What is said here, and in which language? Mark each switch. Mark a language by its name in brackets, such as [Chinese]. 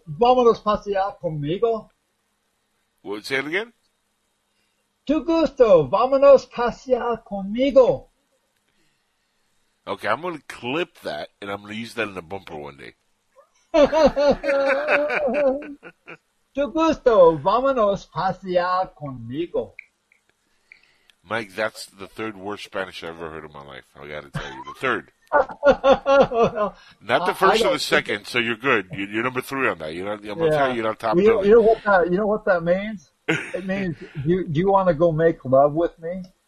[Spanish] Vámonos pasear conmigo. [English] What, say it again? [Spanish] Tu gusto, vámonos pasear conmigo. [English] Okay, I'm going to clip that, and I'm going to use that in the bumper one day. [Spanish] Tu gusto, vámonos pasear conmigo. [English] Mike, that's the third worst Spanish I've ever heard in my life. I got to tell you, the third. Not the first or the second, so you're good. You're number three on that. You know what that means? It means, do you want to go make love with me?